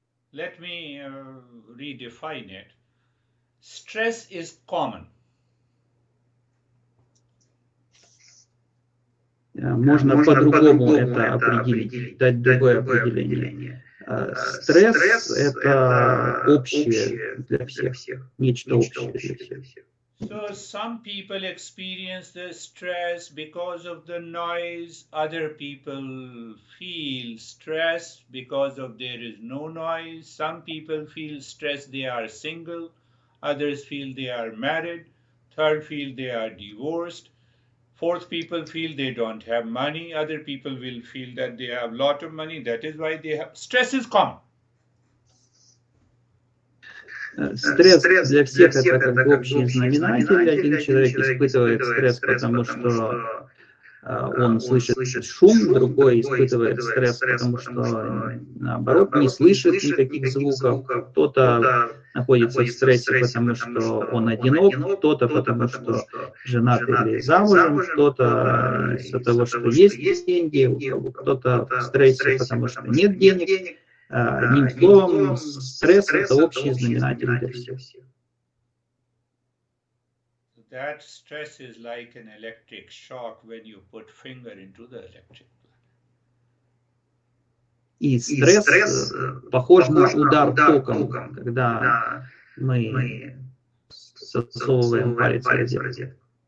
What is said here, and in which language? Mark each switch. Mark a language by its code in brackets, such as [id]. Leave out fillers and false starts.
[en] Let me redefine it. Stress is common. [ru] Можно по-другому это определить, дать другое определение. Стресс — это общее для всех, нечто общее для всех. [en] So some people experience the stress because of the noise. Other people feel stress because of there is no noise. Some people feel stress they are single. Others feel they are married. Third feel they are divorced. Fourth, people feel they don't have money. Other people will feel that they have a lot of money. That is why they have... Stress is common. [ru] Стресс для всех – это как бы общий знаменатель. Один человек испытывает стресс, потому что он слышит шум, другой испытывает стресс, потому что, наоборот, не слышит никаких звуков. Кто-то находится в стрессе, потому что он одинок, кто-то потому что женат или замужем, кто-то из-за того, что есть деньги, кто-то в стрессе, потому что нет денег. Одним словом, стресс – это общий знаменатель для всех. [en] That stress is like an electric shock when you put finger into the electric plug. [ru] И стресс похож на удар током, когда мы засовываем палец в розетку.